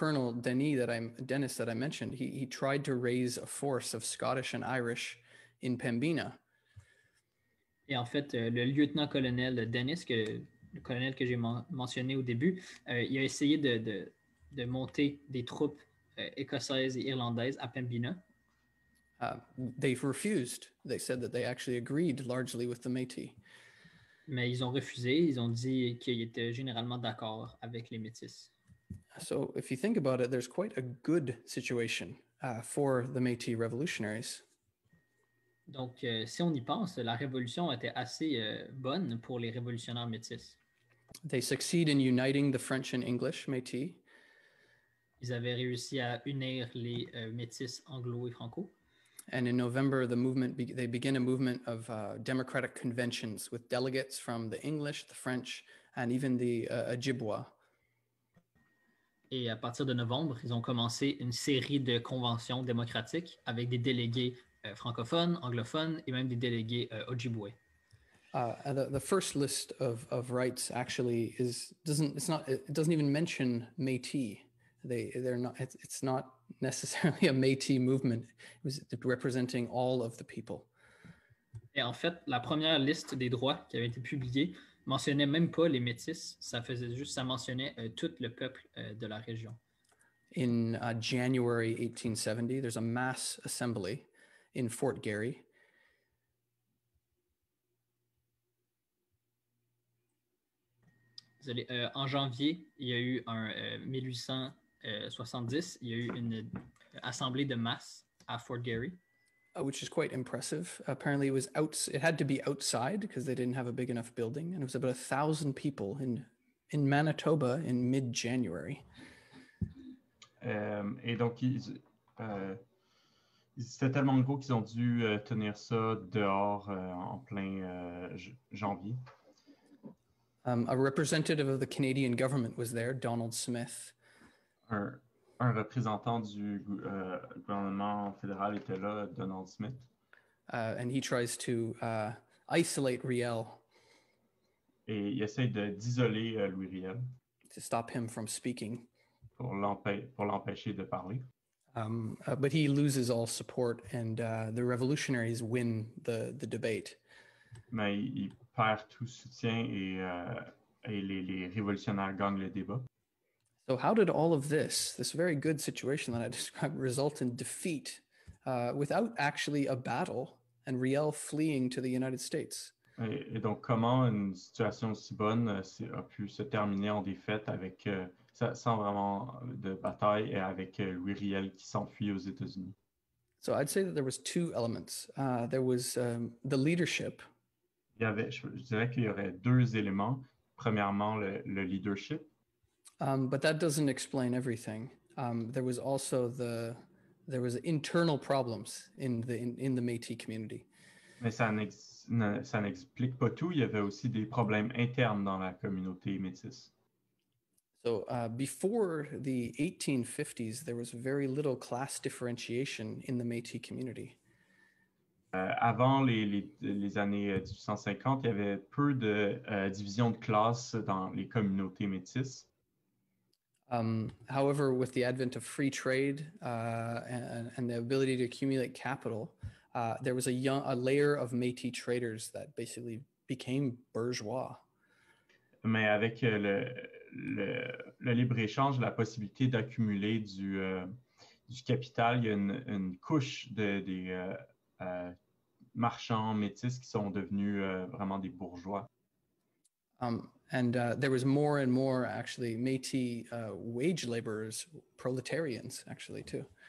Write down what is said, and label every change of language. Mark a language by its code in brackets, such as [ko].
[en] Lieutenant Colonel Denis that I mentioned, he tried to raise a force of Scottish and Irish in Pembina. [fr] Et en fait, le lieutenant-colonel Denis, le colonel que j'ai mentionné au début, il a essayé de monter des troupes écossaises et irlandaises à Pembina. [en] They've refused. They said that they actually agreed largely with the Métis. [fr] Mais ils ont refusé. Ils ont dit qu'ils étaient généralement d'accord avec les Métis. [en] So, if you think about it, there's quite a good situation for the Métis revolutionaries. [fr] Donc, si on y pense, la révolution était assez bonne pour les révolutionnaires Métis. [en] They succeed in uniting the French and English Métis. [fr] Ils avaient réussi à unir les métis anglo et franco. [en] And in November, they begin a movement of democratic conventions with delegates from the English, the French, and even the Ojibwa. [fr] Et à partir de novembre, ils ont commencé une série de conventions démocratiques avec des délégués francophones, anglophones, et même des délégués Ojibwe. [en] The first list of rights actually doesn't even mention Métis. It's not necessarily a Métis movement. It was representing all of the people. [fr] Et en fait, la première liste des droits qui avait été publiée mentionnait même pas les Métis. Ça mentionnait tout le peuple de la région. [en] In January 1870, there's a mass assembly in Fort Garry. [fr] En janvier, il y a eu un 1870, il y a eu une assemblée de masse à Fort Garry. [en] Which is quite impressive. Apparently, it had to be outside because they didn't have a big enough building. And it was about 1,000 people in Manitoba in mid-January. [fr] Et donc, c'était tellement gros qu'ils ont dû tenir ça dehors en plein janvier. [en] A representative of the Canadian government was there, Donald Smith. [fr] Un représentant du gouvernement fédéral était là, Donald Smith. [en] And he tries to isolate Riel. [fr] Et il essaie d'isoler Louis Riel. [en] To stop him from speaking. [fr] Pour l'empêcher de parler. [en] But he loses all support and the revolutionaries win the debate. [fr] Mais il perd tout soutien et les révolutionnaires gagnent le débat. [en] So how did all of this very good situation that I described, result in defeat without actually a battle and Riel fleeing to the United States? [fr] Et donc, comment une situation aussi bonne a pu se terminer en défaite avec sans vraiment de bataille et avec Louis Riel qui s'enfuit aux États-Unis? [en] So I'd say that there was two elements. There was the leadership. [fr] Je dirais qu'il y aurait deux éléments. Premièrement, le leadership. [en] But that doesn't explain everything. There was also there was internal problems in the Métis community. [fr] Mais ça n'explique pas tout. Il y avait aussi des problèmes internes dans la communauté métis. [en] So before the 1850s, there was very little class differentiation in the Métis community. [fr] Avant les années 1850, il y avait peu de division de classe dans les communautés métis. [en] However, with the advent of free trade and the ability to accumulate capital, there was a layer of Métis traders that basically became bourgeois. [fr] Mais avec le libre-échange, la possibilité d'accumuler du capital, il y a une couche des marchands métis qui sont devenus vraiment des bourgeois. [en] There was more and more, actually, Métis wage laborers, proletarians, actually, too.